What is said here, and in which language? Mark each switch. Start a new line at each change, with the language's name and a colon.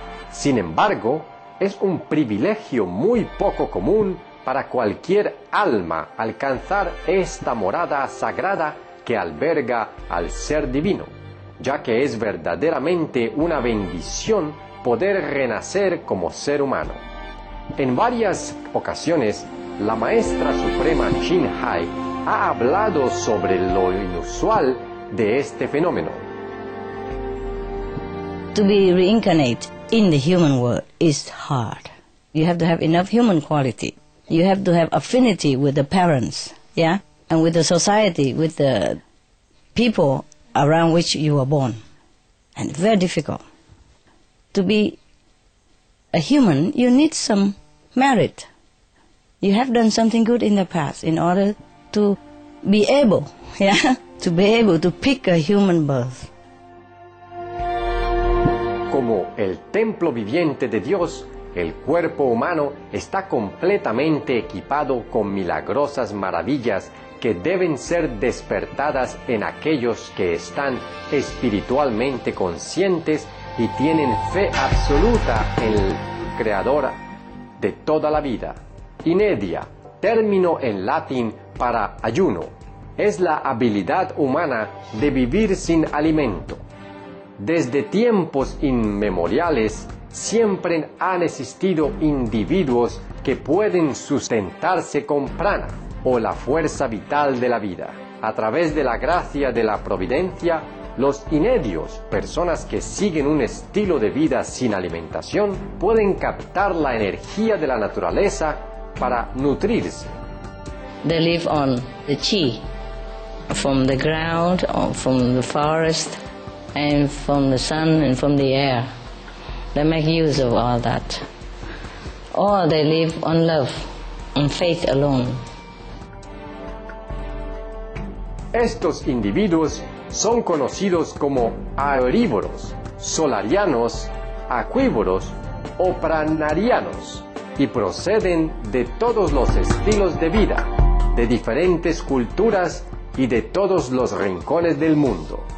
Spanish: Sin embargo, es un privilegio muy poco común para cualquier alma alcanzar esta morada sagrada que alberga al ser divino, ya que es verdaderamente una bendición poder renacer como ser humano. En varias ocasiones, la Maestra Suprema Chin Hai ha hablado sobre lo inusual de este fenómeno.
English: To be reincarnate in the human world is hard. You have to have enough human quality. You have to have affinity with the parents, yeah? And with the society, with the people around which you were born. And very difficult. To be a human, you need some merit. You have done something good in the past in order to be able, yeah? To be able to pick a human birth.
Spanish: Como el templo viviente de Dios, el cuerpo humano está completamente equipado con milagrosas maravillas que deben ser despertadas en aquellos que están espiritualmente conscientes y tienen fe absoluta en el Creador de toda la vida. Inedia, término en latín para ayuno, es la habilidad humana de vivir sin alimento. Desde tiempos inmemoriales, siempre han existido individuos que pueden sustentarse con prana, o la fuerza vital de la vida. A través de la gracia de la providencia, los inedios, personas que siguen un estilo de vida sin alimentación, pueden captar la energía de la naturaleza para nutrirse.
English: They live on the chi, from the ground, or from the forest, and from the sun and from the air. They make use of all that. Or they live on love, on faith alone.
Spanish: Estos individuos son conocidos como aerívoros, solarianos, acuívoros o pranarianos y proceden de todos los estilos de vida, de diferentes culturas y de todos los rincones del mundo.